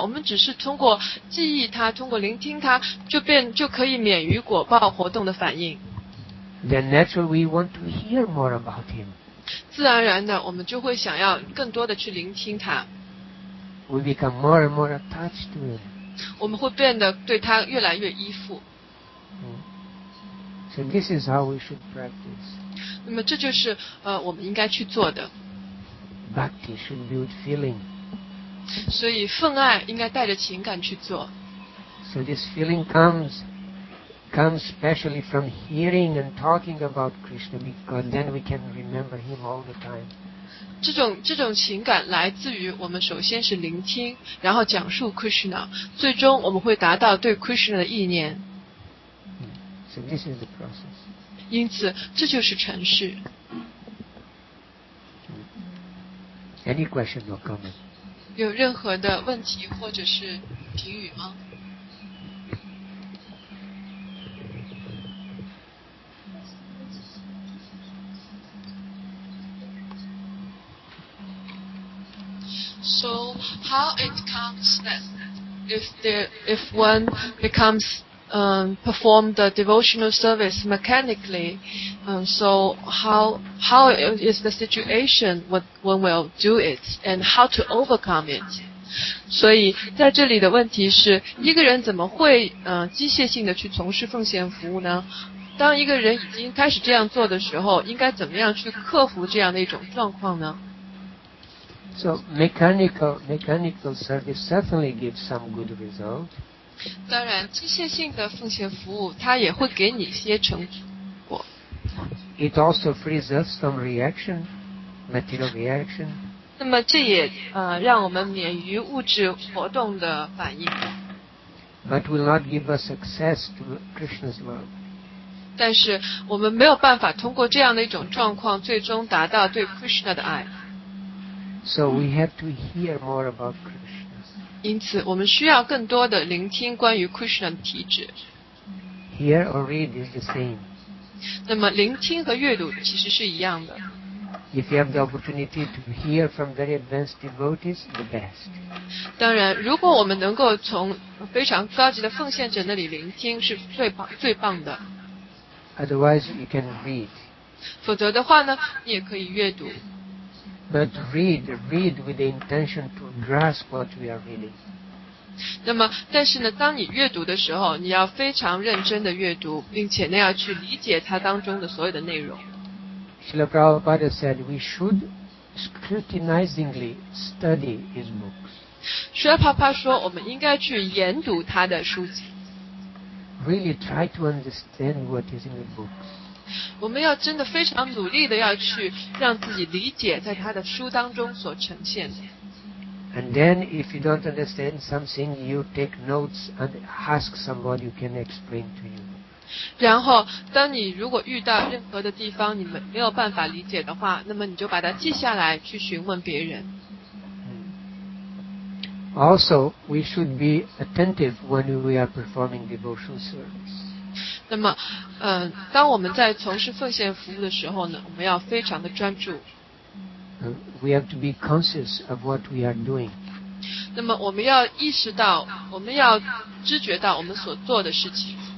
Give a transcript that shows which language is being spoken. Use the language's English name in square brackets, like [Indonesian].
[Chinese] 我们只是通过记忆他，通过聆听他，就可以免于果报活动的反应。 [English] Then naturally we want to hear more about him. [Chinese] 自然而然的，我们就会想要更多的去聆听他。 [English] We become more and more attached to him. [Chinese] 我们会变得对他越来越依附。 [English] So this is how we should practice. [Chinese] 那么这就是我们应该去做的。 [English] Bhakti should build feeling. [Chinese] 所以奉爱应该带着情感去做。 [English] So this feeling comes specially from hearing and talking about Krishna, because then we can remember him all the time. [Chinese] 这种情感来自于我们首先是聆听，然后讲述 Krishna， 最终我们会达到对 Krishna 的意念。 [English] So this is the process. [Chinese] 因此，这就是程序。 [English] Any question or comment? [Chinese] 有任何的问题或者是评语吗？ [English] So how it comes that if one becomes perform the devotional service mechanically, so how is the situation when we'll do it and how to overcome it? [Chinese] 所以在这里的问题是，一个人怎么会机械性的去从事奉献服务呢？当一个人已经开始这样做的时候，应该怎么样去克服这样的一种状况呢？ [English] So mechanical service certainly gives some good result. [Chinese] 当然，机械性的奉献服务，它也会给你一些成果。 [English] It also frees us from reaction, material reaction. [Chinese] 那么这也让我们免于物质活动的反应。 [English] But will not give us access to Krishna's love. [Chinese] 但是我们没有办法通过这样的一种状况，最终达到对 Krishna 的爱。 [English] So we have to hear more about Krishna. [Chinese] 因此我们需要更多的聆听关于 Krishna 的体质。 [English] Hear or read is the same. [Chinese] 那么聆听和阅读其实是一样的。 [English] If you have the opportunity to hear from very advanced devotees, the best. [Chinese] 当然，如果我们能够从非常高级的奉献者那里聆听，是最棒的。 [English] Otherwise, you can read. [Chinese] 否则的话呢，你也可以阅读。 [English] But read with the intention to grasp what we are reading. [Chinese] 那么，但是呢，当你阅读的时候，你要非常认真的阅读，并且呢，要去理解它当中的所有的内容。 [English] Srila Prabhupada said we should scrutinizingly study his books. [Chinese] Srila Prabhupada 说我们应该去研读他的书籍。 [English] Really try to understand what is in the books. [Chinese] 我们要真的非常努力的要去让自己理解在他的书当中所呈现的。 [English] And then if you don't understand something, you take notes and ask somebody who can explain to you. [Chinese] 然后当你如果遇到任何的地方你们没有办法理解的话，那么你就把它记下来去询问别人。 [English] Also, we should be attentive when we are performing devotional service. [Chinese] 那么当我们在从事奉献服务的时候呢，我们要非常的专注。 [English] We have to be conscious of what we are doing. [Chinese] 那么我们要意识到，我们要知觉到我们所做的事情。